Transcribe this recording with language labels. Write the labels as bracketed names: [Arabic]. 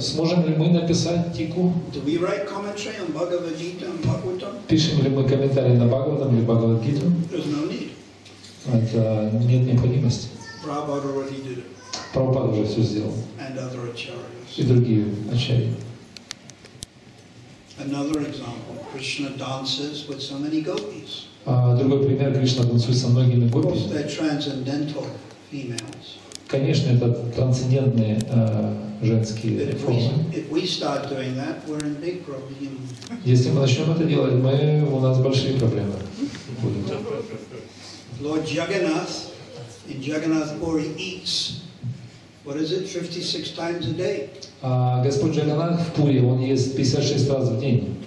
[Russian] Сможем ли мы написать тику? [English] Do we write commentary on Bhagavad Gita and Bhagavatam? [Russian] Пишем ли мы комментарий на Бхагаватам или Бхагавадгиту? [English] There's no need. [Russian] Это нет необходимости. [English] Prabhupada already did it. [Russian] Прабхупада уже все сделал. [English] And other acharyas. [Russian] И другие ачарьи. [English] Another example: Krishna dances with so many gopis. [Russian] Другой пример: Кришна танцует со многими гопи. [English] Of course, they're transcendental females. [Russian] Конечно, это трансцендентные женские формы. [English] If we start doing that, we're in big problem. [Russian] Если мы начнем это делать, мы у нас большие проблемы будут. [English] Lord Jagannath in Jagannath Puri eats. What is it? 56 times a day. [Russian] Господь Джаганнат в Пуре, он ест 56 раз в день.